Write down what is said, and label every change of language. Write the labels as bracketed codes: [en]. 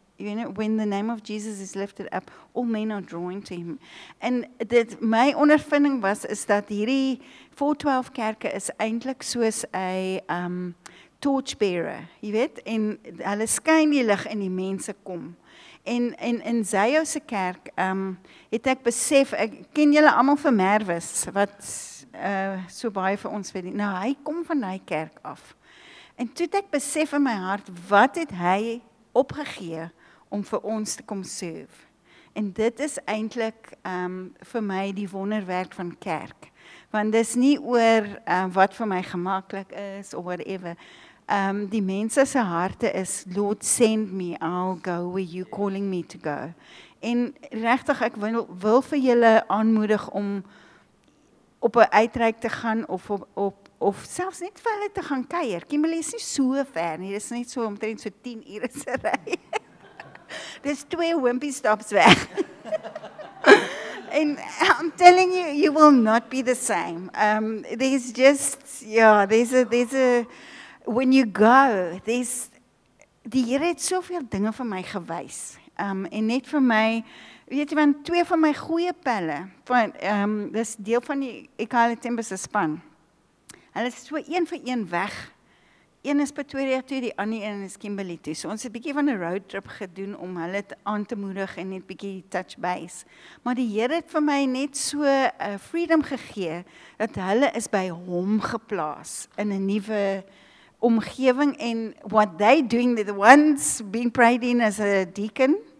[en] You know, when the name of Jesus is lifted up, all men are drawn to him. [af] En dit my ondervinding was is dat hierdie 412 kerke is eintlik soos 'n torchbearer, jy weet, en hulle skyn die lig en die mense kom. En in Zayo se kerk het ek besef, ek ken julle allemaal van Mervis, wat so baie vir ons weet. Nou, hy kom van die kerk af. En toe het ek besef in my hart, wat het hy opgegee om vir ons te kom serve. En dit is eintlik vir my die wonderwerk van kerk. Want dis nie oor wat vir my gemaklik is, of whatever. Die mense se harte is, [en] Lord, send me, I'll go where you're calling me to go. [af] En regtig, ek wil vir julle aanmoedig om op 'n uitreik te gaan, of selfs net vir hulle te gaan kuier. Kimberley is nie so ver nie, dis net so omtrent so 10 ure se ry. Dis 2 wimpy stops weg. [en] And I'm telling you, you will not be the same. There's just, yeah, there's a, when you go, there's, [af] die Here het soveel dinge vir my gewys. En net vir my, weet jy, want 2 van my goeie pelle, dis deel van die Ekale Tempus span, hulle is so 1 vir 1 weg. Een is Pretoria toe, die ander een is Kimberley toe. So ons het 'n bietjie van 'n road trip gedoen om hulle aan te moedig en net 'n bietjie touch base. Maar die Here het vir my net so 'n freedom gegee dat hulle is by hom geplaas in 'n nuwe omgewing en [en] what they doing, the ones being prayed in as a deacon.